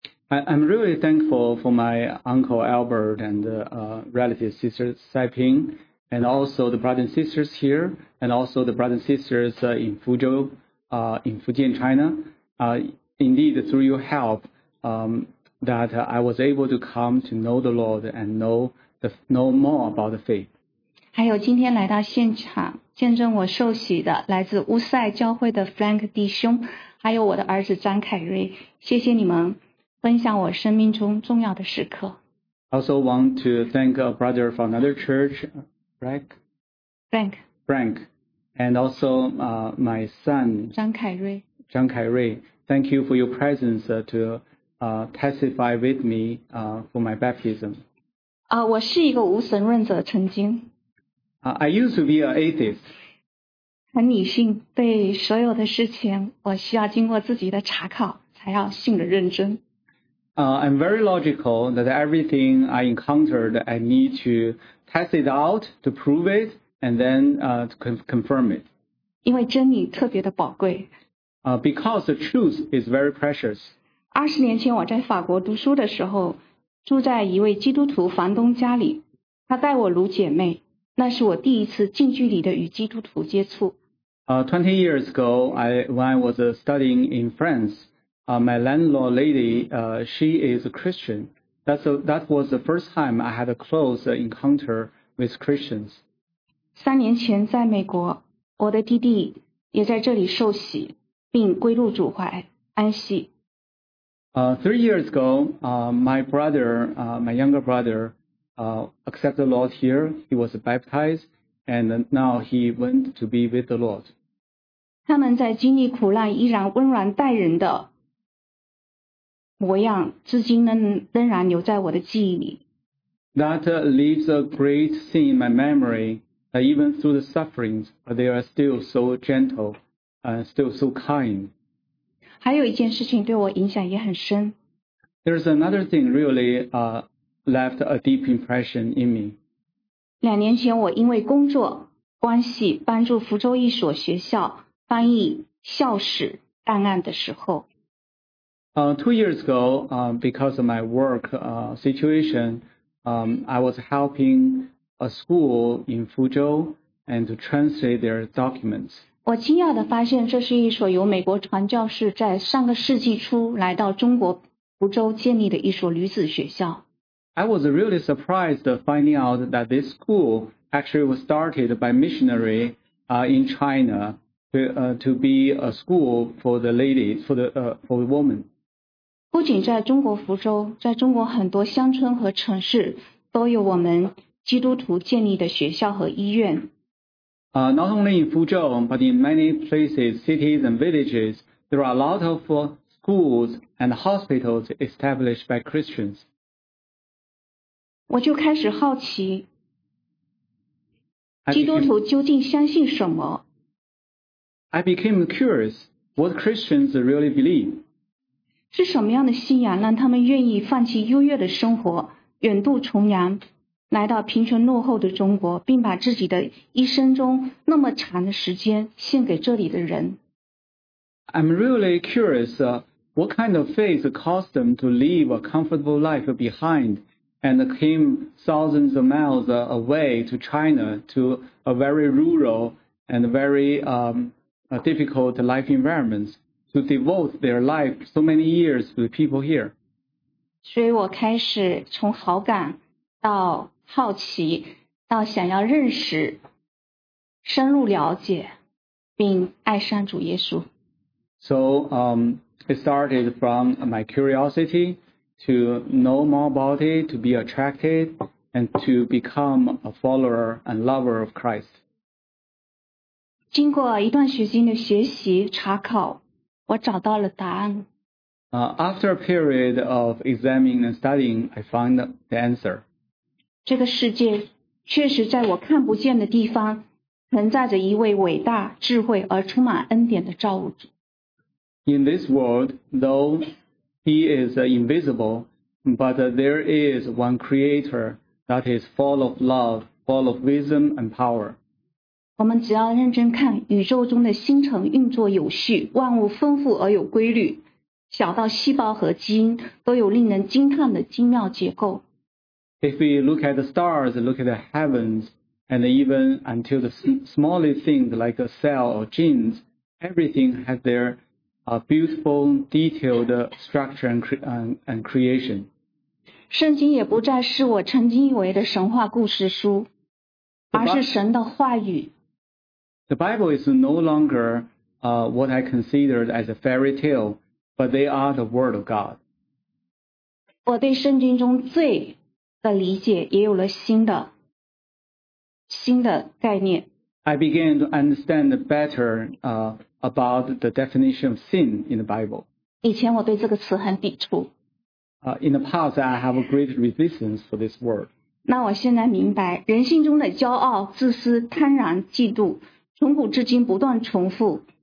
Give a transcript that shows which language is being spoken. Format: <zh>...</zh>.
<en>I'm really thankful for my uncle Albert and relative sister Saiping, and also the brothers and sisters here, and also the brothers and sisters in Fuzhou, in Fujian, China. Indeed, through your help, that I was able to come to know the Lord and know more about the faith.</en> <zh>还有今天来到现场见证我受洗的来自乌塞教会的 Frank 弟兄，还有我的儿子张凯瑞，谢谢你们分享我生命中重要的时刻。</zh> <en>I also want to thank a brother from another church, Frank, and also my son,</en> <zh>张凯瑞.</zh> <en>Thank you for your presence to testify with me for my baptism.</en> <zh>我是一个无神论者，曾经。</zh> <en>I used to be an atheist.</en> <zh>很理性，对所有的事情，我需要经过自己的查考，才要信的认真。</zh> <en>I'm very logical that everything I encountered, I need to test it out to prove it, and then to confirm it.</en> <zh>因为真理特别的宝贵。</zh> <en>Because the truth is very precious.</en> <zh>20年前我在法国读书的时候，住在一位基督徒房东家里，他待我如姐妹，那是我第一次近距离的与基督徒接触。</zh> <en>20 years ago, when I was studying in France, my landlord lady, she is a Christian. That was the first time I had a close encounter with Christians.</en> <zh>3年前在美国，我的弟弟也在这里受洗。并归入主怀安息。</zh> <en>3 years ago, my brother, my younger brother, accepted the Lord here. He was baptized, and now he went to be with the Lord.</en> <zh>他们在经历苦难依然温软待人的模样，至今仍然留在我的记忆里。</zh> <en>That leaves a great thing in my memory. That even through the sufferings, they are still so gentle. Still so kind.</en> <zh>还有一件事情对我影响也很深。</zh> <en>There's another thing really left a deep impression in me.</en> <zh>2年前我因为工作关系帮助福州一所学校翻译校史档案的时候。</zh> <en>2 years ago, because of my work situation, I was helping a school in Fuzhou and to translate their documents.</en> <zh>我惊讶地发现这是一所由美国传教士在上个世纪初来到中国福州建立的一所女子学校。</zh> <en>I was really surprised finding out that this school actually was started by missionary in China to be a school for the ladies, for the women.</en> <zh>不仅在中国福州，在中国很多乡村和城市都有我们基督徒建立的学校和医院。</zh> <en>Not only in Fuzhou, but in many places, cities and villages, there are a lot of schools and hospitals established by Christians.</en> <zh>我就开始好奇，基督徒究竟相信什么？</zh> <en>I became curious what Christians really believe.</en> <zh>是什么样的信仰让他们愿意放弃优越的生活，远渡重洋？来到贫穷落后的中国，并把自己的一生中那么长的时间献给这里的人。</zh> <en>I'm really curious, what kind of faith caused them to leave a comfortable life behind and came thousands of miles away to China to a very rural and very difficult life environment to devote their life so many years to the people here.</en> <zh>所以我开始从好感到好奇到想要认识深入了解并爱上主耶稣。</zh> <en>So, it started from my curiosity to know more about it, to be attracted, and to become a follower and lover of Christ.</en> <zh>经过一段时间的学习查考，我找到了答案。</zh> <en>After a period of examining and studying, I found the answer.</en> <zh>这个世界确实在我看不见的地方承载着一位伟大、智慧而充满恩典的造物主。</zh> <en>In this world, though he is invisible, but there is one creator that is full of love, full of wisdom and power.</en> <zh>我们只要认真看宇宙中的星辰运作有序，万物丰富而有规律，小到细胞和基因都有令人惊叹的精妙结构。</zh> <en>If we look at the stars, look at the heavens, and even until the smallest things like a cell or genes, everything has their beautiful, detailed structure and creation.</en> <zh>圣经也不再是我曾经以为的神话故事书，而是神的话语。</zh> <en>The Bible is no longer what I considered as a fairy tale, but they are the word of God.</en> <zh>我对圣经中最的理解也有了新的概念。</zh> <en>I began to understand better about the definition of sin in the Bible.</en> <zh>以前我对这个词很抵触。</zh> <en>In the past, I have a great resistance for this word.</en> <zh>那我现在明白，人性中的骄傲、自私、贪婪、嫉妒，从古至今不断重复。</zh>